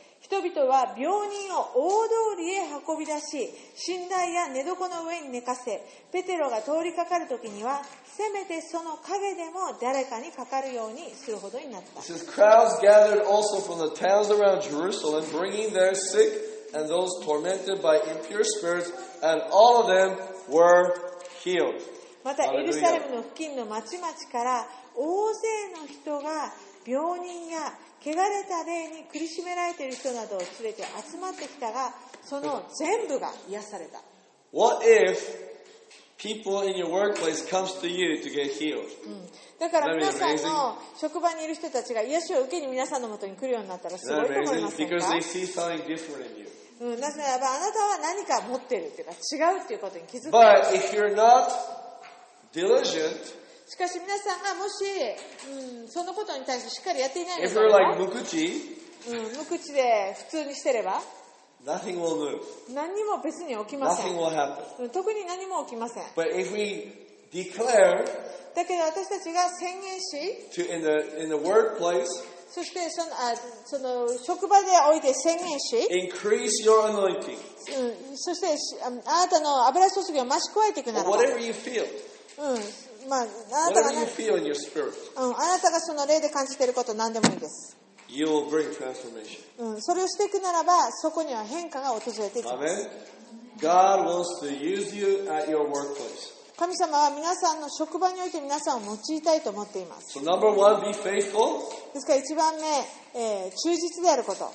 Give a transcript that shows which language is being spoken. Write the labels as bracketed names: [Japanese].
[Japanese] 人々は病人を大通りへ運び出し、寝台や寝床の上に寝かせ、ペテロが通りかかるときには、せめてその影でも誰かにかかるようにするほどになった。 [English] It says, crowds gathered also from the towns around Jerusalem, bringing their sick and those tormented by impure spirits, and all of them were healed. [Japanese] また、エルサレムの付近の町々から大勢の人が病人や汚れた霊に苦しめられている人などを連れて集まってきたが、その全部が癒された。 [English] What if people in your workplace comes to you to get healed? [Japanese] だから皆さんの職場にいる人たちが癒しを受けに皆さんのもとに来るようになったらすごいと思いませんか? [English] Because they see something different in you. [Japanese] なぜならばあなたは何か持ってるっていうか違うっていうことに気づく。 [English] But if you're not diligent, [Japanese] しかし皆さんがもし、そのことに対してしっかりやっていないのか、like 無口無口で普通にしてれば [English] Nothing will move. [Japanese] 何にも別に起きません [English] Nothing will happen. [Japanese] 特に何も起きません [English] But if we declare, [Japanese] だけど私たちが宣言し [English] to in the workplace, [Japanese] そしてその職場でおいて宣言し [English] increase your anointing. [Japanese] そしてあなたの油注ぎを増し加えていくなら [English] whatever you feel. あ [Japanese] なたがその霊で感じていることは何でもいいです。 [English] You will bring transformation. [Japanese] それをしていくならば、そこには変化が訪れていきます。 [English] God wants to use you at your workplace. [Japanese] 神様は皆さんの職場において皆さんを用いたいと思っています。 [English] So number one, be faithful. [Japanese] ですから一番目、忠実であること。